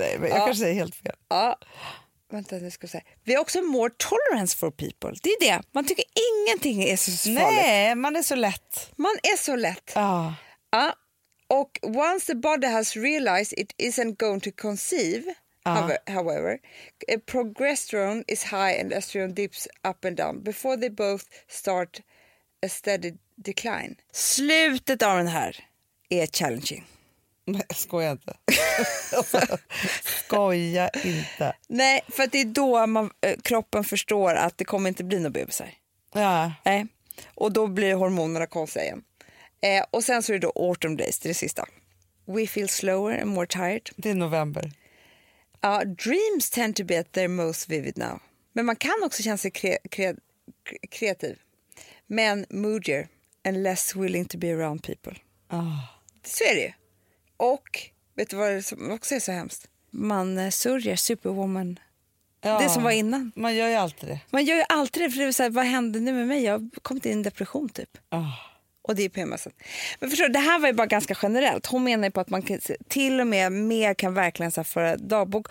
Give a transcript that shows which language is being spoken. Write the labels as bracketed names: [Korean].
[Swedish] Jag kanske säger helt fel. Ja. Vänta, nu ska jag säga. Vi har också [English] more tolerance for people. [Swedish] Det är det. Man tycker ingenting är så farligt. Nej, man är så lätt. Ja. [English] Och once the body has realized it isn't going to conceive, however, progesterone is high and estrogen dips up and down before they both start a steady decline. [Swedish] Slutet av den här är challenging. Nej, skoja inte. Skoja inte. Nej, för att det är då man, kroppen förstår att det kommer inte bli någon bebisar. Ja. Nej. Och då blir hormonerna konstiga igen. Och sen så är det då [English] autumn days, [Swedish] det sista. [English] We feel slower and more tired. [Swedish] Det är november. [English] Dreams tend to be at their most vivid now. [Swedish] Men man kan också känna sig kreativ. [English] Men moodier and less willing to be around people. [Swedish] Så är det ju. Och vet du vad som också är så hemskt? Man sörjer superwoman. Ja, det som var innan. Man gör ju alltid det. Man gör ju alltid det, för det är så här, vad hände nu med mig? Jag har kommit in i en depression typ. Och det är PMSen. Men förstår, det här var ju bara ganska generellt. Hon menar ju på att man kan, till och med mer kan verkligen föra dagbok.